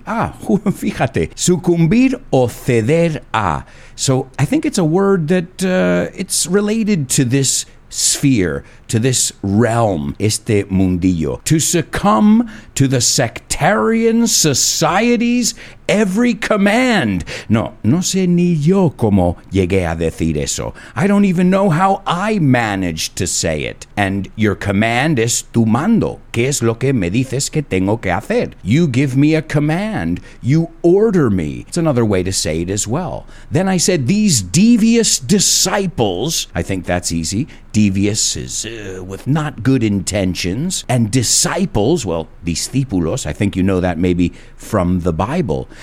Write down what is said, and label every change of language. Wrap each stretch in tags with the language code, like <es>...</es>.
<es>Ah, fíjate. Sucumbir o ceder a.</es> <en>So I think it's a word that it's related to this sphere, to this realm,</en> <es>este mundillo.</es> <en>To succumb to the sectarian society's every command.</en> <es>No, no sé ni yo cómo llegué a decir eso.</es> <en>I don't even know how I managed to say it. And your command</en> <es>es tu mando. ¿Qué es lo que me dices que tengo que hacer?</es> <en>You give me a command. You order me. It's another way to say it as well. Then I said, these devious disciples, I think that's easy. Devious is with not good intentions. And disciples, well, discípulos, I think you know that maybe from the Bible.</en>